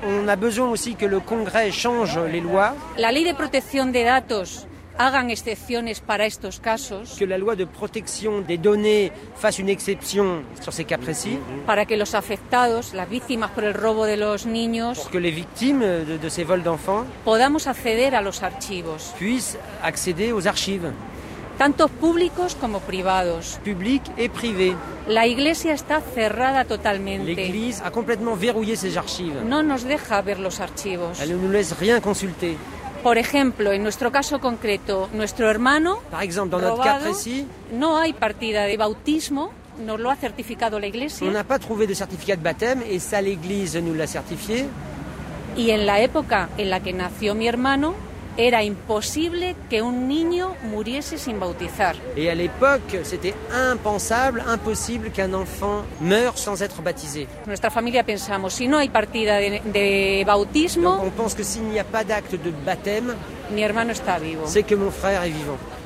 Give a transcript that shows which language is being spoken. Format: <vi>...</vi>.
<fr>On a besoin aussi que le Congrès change les lois.</fr> <es>La ley de protección de datos hagan excepciones para estos casos.</es> <fr>Que la loi de protection des données fasse une exception sur ces cas précis.</fr> <es>Para que los afectados, las víctimas por el robo de los niños,</es> <fr>pour que les victimes de ces vols d'enfants,</fr> <es>podamos acceder a los archivos.</es> <fr>Puissent accéder aux archives.</fr> <es>Tanto públicos como privados.</es> <fr>Public et privé.</fr> <es>La iglesia está cerrada totalmente.</es> <fr>L'église a complètement verrouillé ses archives.</fr> <es>No nos deja ver los archivos.</es> <fr>Elle ne nous laisse rien consulter.</fr> <es>Por ejemplo, en nuestro caso concreto, nuestro hermano, por ejemplo, en nuestro caso precis, no hay partida de bautismo. Nos lo ha certificado la iglesia.</es> <fr>On n'a pas trouvé de certificat de baptême et ça l'église nous l'a certifié.</fr> <es>Y en la época en la que nació mi hermano, era imposible que un niño muriese sin bautizar.</es> <fr>Et à l'époque, c'était impensable, impossible qu'un enfant meure sans être baptisé.</fr> <es>Nuestra familia pensamos, si no hay partida de bautismo,</es> <fr>donc on pense que s'il n'y a pas d'acte de baptême,</fr> <es>mi hermano está vivo.</es> <fr>C'est que mon frère est vivant.</fr>